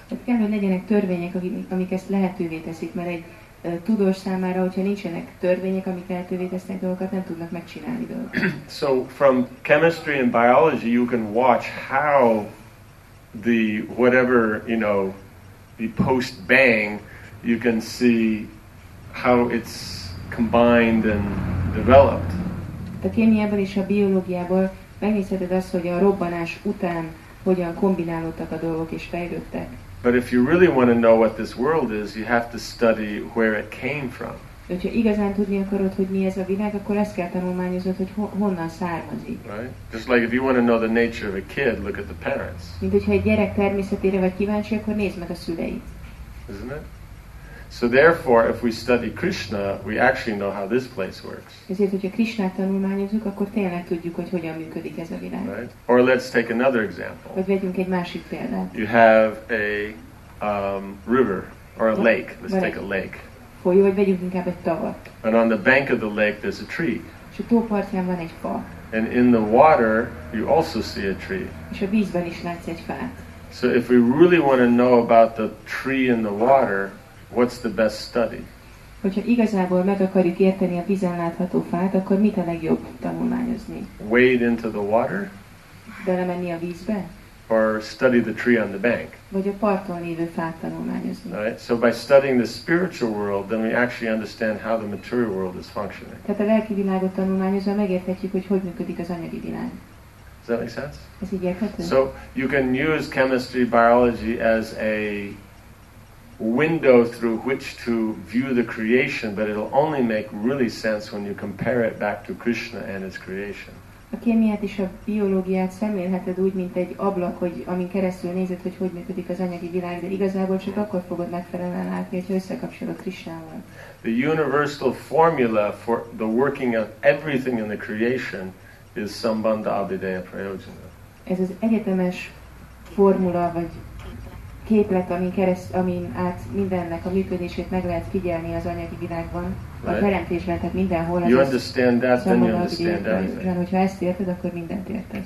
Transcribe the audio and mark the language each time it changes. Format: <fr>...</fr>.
<hu>Tehát kell, hogy legyenek törvények, amik ezt lehetővé teszik, mert egy tudós számára, hogyha nincsenek törvények, amik lehetővé tesznek dolgokat, nem tudnak megcsinálni dolgokat.</hu> <en>So from chemistry and biology you can watch how the whatever, you know, the post bang, you can see how it's combined and developed.</en> <hu>A kémiából és a biológiából megnézheted azt, hogy a robbanás után hogyan kombinálódtak a dolgok és fejlődtek.</hu> <en>But if you really want to know what this world is, you have to study where it came from.</en> <hu>Hogyha igazán tudni akarod, hogy mi ez a világ, akkor ezt kell tanulmányozod, hogy honnan származik.</hu> <en>Right? Just like if you want to know the nature of a kid, look at the parents.</en> <hu>Mint hogyha egy gyerek természetére vagy kíváncsi, akkor nézd meg a szüleit.</hu> <en>Isn't it? So therefore, if we study Krishna, we actually know how this place works.</en> <hu>Ezért, hogyha Krishnát tanulmányozunk, akkor tényleg tudjuk, hogy hogyan működik ez a világ.</hu> <en>Right? Or let's take another example.</en> <hu>Vagy vegyünk egy másik példát.</hu> <en>You have a river or a lake. Let's take a lake.</en> <hu>Folyó, vagy vegyünk inkább egy tavat.</hu> <en>And on the bank of the lake, there's a tree.</en> <hu>És a tópartján van egy fa.</hu> <en>And in the water, you also see a tree.</en> <hu>És a vízben is látsz egy fát.</hu> <en>So if we really want to know about the tree in the water, what's the best study?</en> <hu>Hogyha igazából meg akarjuk érteni a vízen látható fát, akkor mit a legjobb tanulmányozni?</hu> <en>Wade into the water?</en> <hu>Belemenni a vízbe?</hu> <en>Or study the tree on the bank?</en> <hu>Vagy a parton lévő fát tanulmányozni?</hu> <en>Right? So by studying the spiritual world, then we actually understand how the material world is functioning.</en> <hu>Tehát a lelki világot tanulmányozva megérthetjük, hogy hogyan működik az anyagi világ.</hu> <en>Does that make sense?</en> <hu>Ez így érthető?</hu> <en>So you can use chemistry, biology as a window through which to view the creation, but it'll only make really sense when you compare it back to Krishna and his creation.</en> <hu>A kémiát és a biológiát szemlélheted úgy, mint egy ablak, hogy amin keresztül nézed, hogy hogyan működik az anyagi világ, de igazából csak akkor fogod megfelelően látni, hogyha összekapcsolod Krishnával.</hu> <en>The universal formula for the working of everything in the creation is Sambandha Abhideya Prayojana.</en> <hu>Ez az egyetemes formula vagy képlet, amin át mindennek a működését meg lehet figyelni az anyagi világban, a teremtésben, tehát mindenhol.</hu> <en>You understand that, then you understand everything.</en> <hu>Hogyha ezt érted, akkor mindent érted.</hu>